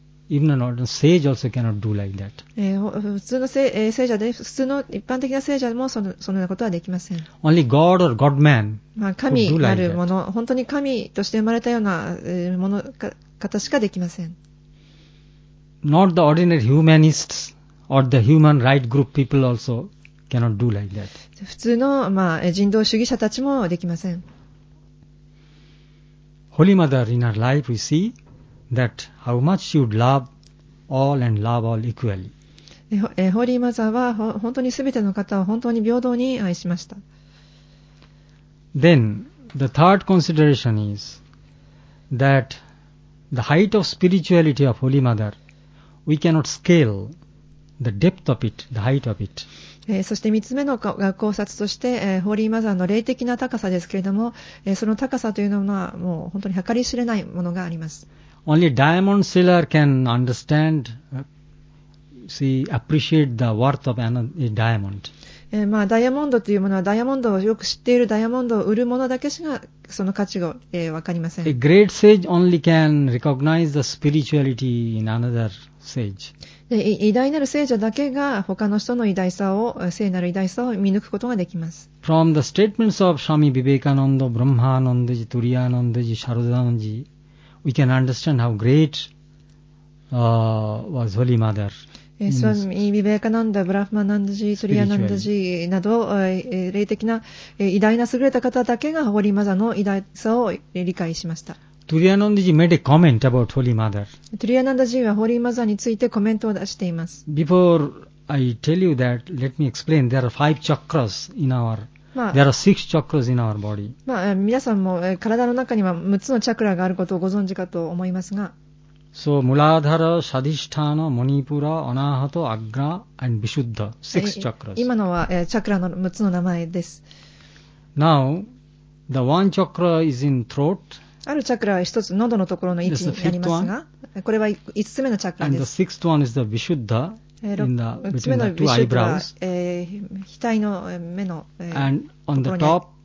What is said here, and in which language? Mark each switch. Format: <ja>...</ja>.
<en>Even an ordinary sage also cannot do like that.</en> <ja>普通の聖者で、普通の一般的な聖者もそのようなことはできません。</ja> <en>Only God or God-man could do like that.</en> <ja>神なるもの、本当に神として生まれたような、ものか方しかできません。</ja> <en>Not the ordinary humanists or the human right group people also cannot do like that.</en> <ja>普通の、人道主義者たちもできません。</ja> <en>Holy Mother, in her life, we see. That how much she would love all and love all equally.</en> <ja>ホーリーマザーは本当にすべての方を本当に平等に愛しました。</ja> <en>Then the third consideration is that the height of spirituality of Holy Mother, we cannot scale the depth of it, the height of it.</en> <ja>そして3つ目の考察として、ホーリーマザーの霊的な高さですけれども、その高さというのはもう本当に計り知れないものがあります。</ja> <en>Only diamond seller can understand, see, appreciate the worth of a diamond.</en> <ja>ダイヤモンドというものはダイヤモンドをよく知っているダイヤモンドを売る者だけしかその価値を、分かりません。</ja> <en>A great sage only can recognize the spirituality in another sage.</en> <ja>偉大なる聖者だけが他の人の偉大さを、聖なる偉大さを見抜くことができます。</ja> <en>From the statements of Swami Vivekananda, Brahmananda ji, Turiyananda ji, Sharadananda ji,We can understand how great was Holy Mother.</en> <ja>Swami Vivekananda, Brahmananda ji, Suryananda ji など、霊的な、偉大な優れた方だけが Holy Mother の偉大さを理解しました。</ja> <en>Turiyananda ji made a comment about Holy Mother.</en> <ja>Turiyananda ji は Holy Mother についてコメントを出しています。</ja> <en>Before I tell you that, let me explain. There are five chakras in our There are six chakras in our body.</en> <ja>皆さんも体の中には6つのチャクラがあることをご存知かと思いますが。</ja> <en>So, Muladhara, Shadhisthana, Manipura, Anahata, Agra, and Vishuddha. Six chakras.</en> <ja>今のはチャクラの6つの名前です。</ja> <en>Now, the one chakra is in throat.</en> <ja>あるチャクラは1つ、喉のところの位置になりますが、これは5つ目のチャクラです。</ja> <en>And the sixth one is the Vishuddha. In the, between the two eyebrows, and on the top</en>